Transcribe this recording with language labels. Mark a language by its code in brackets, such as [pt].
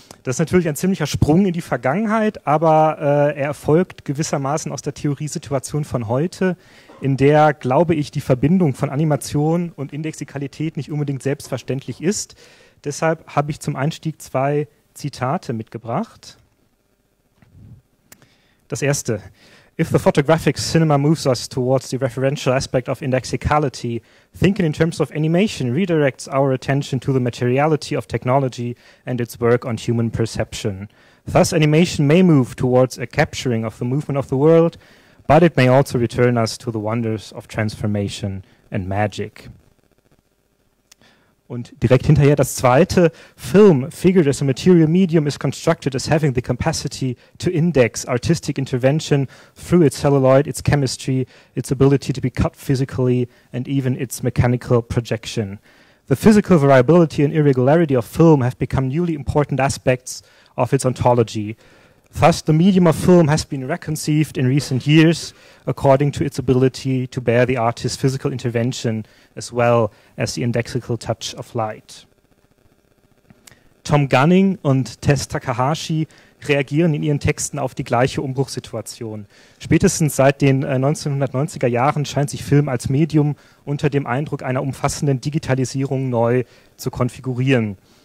[de] Das ist natürlich ein ziemlicher Sprung in die Vergangenheit, aber er erfolgt gewissermaßen aus der Theoriesituation von heute, in der, glaube ich, die Verbindung von Animation und Indexikalität nicht unbedingt selbstverständlich ist. Deshalb habe ich zum Einstieg zwei Zitate mitgebracht. Das erste: [en] If the photographic cinema moves us towards the referential aspect of indexicality, thinking in terms of animation redirects our attention to the materiality of technology and its work on human perception. Thus, animation may move towards a capturing of the movement of the world, but it may also return us to the wonders of transformation and magic. [de] Und direkt hinterher das zweite: [en] Film, figured as a material medium, is constructed as having the capacity to index artistic intervention through its celluloid, its chemistry, its ability to be cut physically, and even its mechanical projection. The physical variability and irregularity of film have become newly important aspects of its ontology. Thus, the medium of film has been reconceived in recent years according to its ability to bear the artist's physical intervention as well as the indexical touch of light. [de] Tom Gunning und Tess Takahashi reagieren in ihren Texten auf die gleiche Umbruchssituation. Spätestens seit den 1990er Jahren scheint sich Film als Medium unter dem Eindruck einer umfassenden Digitalisierung neu zu konfigurieren.